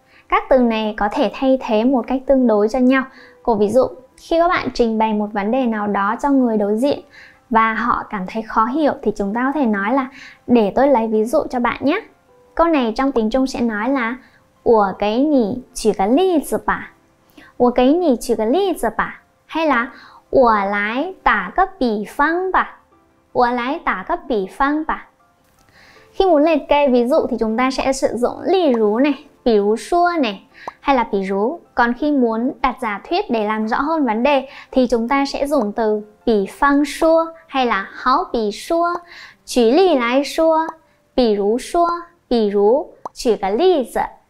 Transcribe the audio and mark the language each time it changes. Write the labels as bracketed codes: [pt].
[vi] Các từ này có thể thay thế một cách tương đối cho nhau. Của ví dụ, khi các bạn trình bày một vấn đề nào đó cho người đối diện và họ cảm thấy khó hiểu thì chúng ta có thể nói là để tôi lấy ví dụ cho bạn nhé. Câu này trong tiếng Trung sẽ nói là [zh] 我给你举个例子吧. 我给你举个例子吧. [vi] Hay là [zh] 我来打个比方吧. 我来打个比方吧. [vi] Khi muốn liệt kê ví dụ thì chúng ta sẽ sử dụng 例如 này, 比如说 này, hay là 比如. Còn khi muốn đặt giả thuyết để làm rõ hơn vấn đề thì chúng ta sẽ dùng từ 比方说 hay là 好比说. [zh] 举例来说, 比如说, 比如, 举个例子.